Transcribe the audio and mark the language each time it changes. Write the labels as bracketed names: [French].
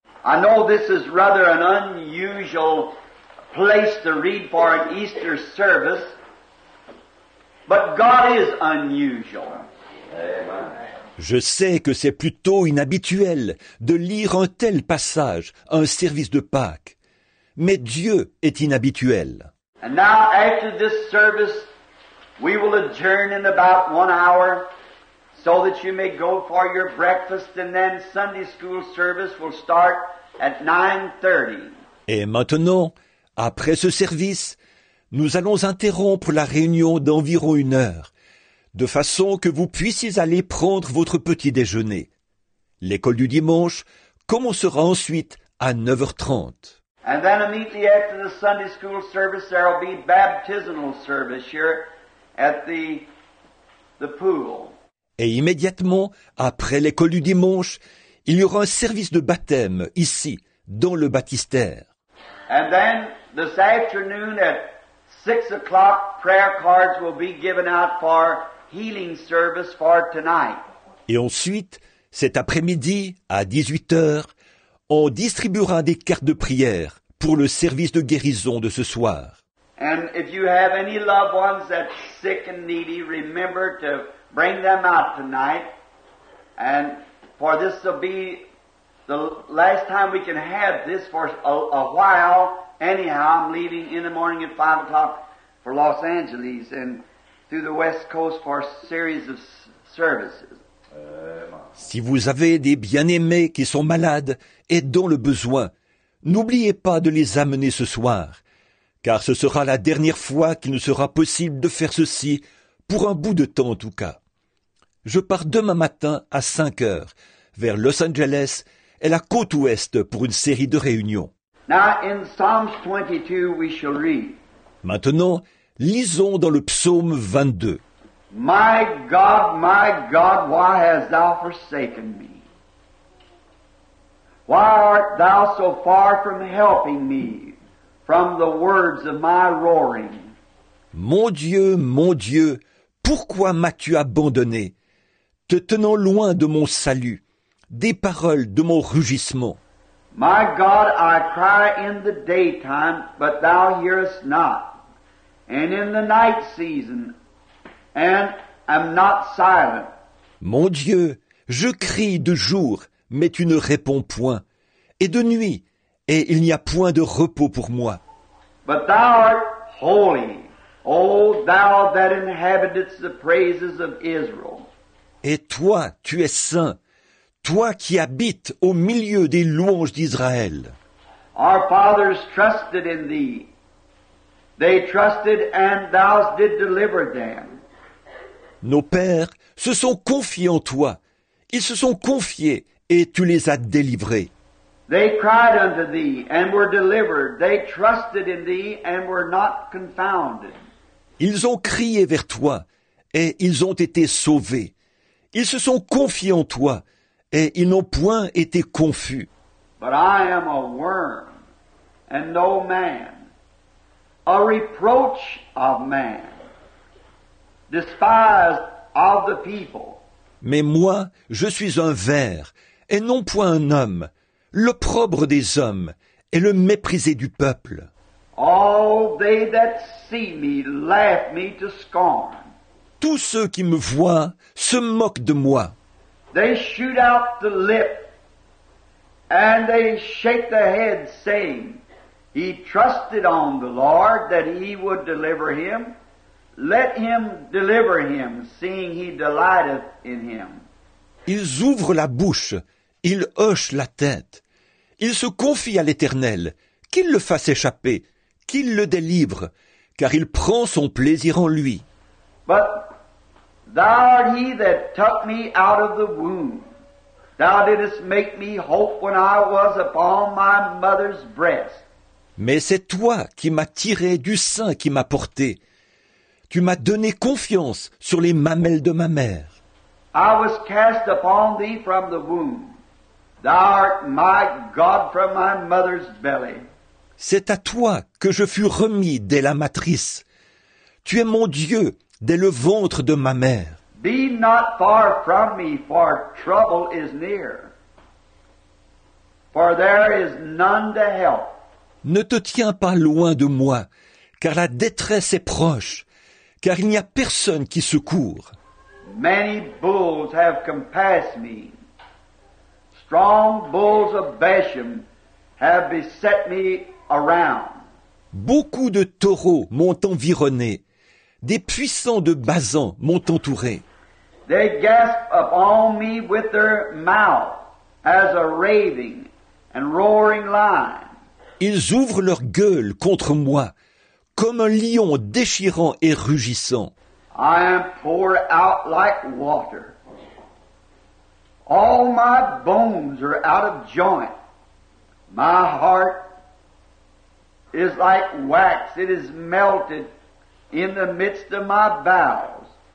[English] I know this is rather an unusual place to read for an Easter service, but God is unusual. Amen. [French] Je sais que c'est plutôt inhabituel de lire un tel passage, un service de Pâques. Mais Dieu est inhabituel. [English] And now, after this service, we will adjourn in about 1 hour so that you may go for your breakfast and then Sunday school service will start at 9:30. [French] Et maintenant, après ce service, nous allons interrompre la réunion d'environ 1 heure, de façon que vous puissiez aller prendre votre petit déjeuner. L'école du dimanche commencera ensuite à 9h30. [English] And then immediately after the Sunday school service, there will be baptismal service here at the pool. [French] Et immédiatement, après l'école du dimanche, il y aura un service de baptême ici, dans le baptistère. [English] And then this afternoon at 6 o'clock, prayer cards will be given out for healing service for tonight. [French] Et ensuite, cet après-midi, à 18h, on distribuera des cartes de prière pour le service de guérison de ce soir. [English] And if you have any loved ones that's sick and needy, remember to bring them out tonight, and for this will be the last time we can have this for a while. Anyhow, I'm leaving in the morning at 5 o'clock for Los Angeles and through the West Coast for a series of services. [French] Si vous avez des bien-aimés qui sont malades et dans le besoin, n'oubliez pas de les amener ce soir, car ce sera la dernière fois qu'il nous sera possible de faire ceci, pour un bout de temps en tout cas. Je pars demain matin à 5 heures vers Los Angeles et la côte ouest pour une série de réunions. [English] Now in Psalms 22 we shall read. [French] Maintenant, lisons dans le psaume 22. [English] My God, why hast thou forsaken me? Why art thou so far from helping me from the words of my roaring? [French] Mon Dieu, pourquoi m'as-tu abandonné, te tenant loin de mon salut, des paroles de mon rugissement? [English] My God, I cry in the daytime, but thou hearest not, and in the night season, and am not silent. [French] Mon Dieu, je crie de jour, mais tu ne réponds point, et de nuit, et il n'y a point de repos pour moi. [English] But thou art holy, O thou that inhabitest the praises of Israel. [French] Et toi, tu es saint, toi qui habites au milieu des louanges d'Israël. [English] Our fathers trusted in thee. They trusted and thou didst deliver them. [French] Nos pères se sont confiés en toi. Ils se sont confiés et tu les as délivrés. [English] They cried unto thee and were delivered. They trusted in thee and were not confounded. [French] Ils ont crié vers toi et ils ont été sauvés. Ils se sont confiés en toi et ils n'ont point été confus. [English] But I am a worm and no man, a reproach of man, despised of the people. [French] Mais moi, je suis un ver et non point un homme, l'opprobre des hommes et le méprisé du peuple. [English] All they that see me laugh me to scorn. [French] Tous ceux qui me voient se moquent de moi. [English] They shoot out the lip and they shake the head, saying, He trusted on the Lord that he would deliver him. Let him deliver him, seeing he delighteth in him. [French] Ils ouvrent la bouche, ils hochent la tête. Ils se confient à l'Éternel, qu'il le fasse échapper. Qu'il le délivre, car il prend son plaisir en lui. [English] But thou art he that took me out of the womb. Thou didst make me hope when I was upon my mother's breast. [French] Mais c'est toi qui m'as tiré du sein qui m'a porté. Tu m'as donné confiance sur les mamelles de ma mère. [English] I was cast upon thee from the womb. Thou art my God from my mother's belly. [French] C'est à toi que je fus remis dès la matrice. Tu es mon Dieu dès le ventre de ma mère. [English] Be not far from me, for trouble is near. For there is none to help. [French] Ne te tiens pas loin de moi, car la détresse est proche, car il n'y a personne qui secourt. [English] Many bulls have compassed me. Strong bulls of Bashan have beset me. [French] Beaucoup de taureaux m'ont environné, des puissants de Bazan m'ont entouré. [English] They gasp upon me with their mouth as a raving and roaring lion. [French] Ils ouvrent leur gueule contre moi comme un lion déchirant et rugissant. [English] I am poured out like water. All my bones are out of joint. My heart is like wax, it is melted in the midst of my bowels.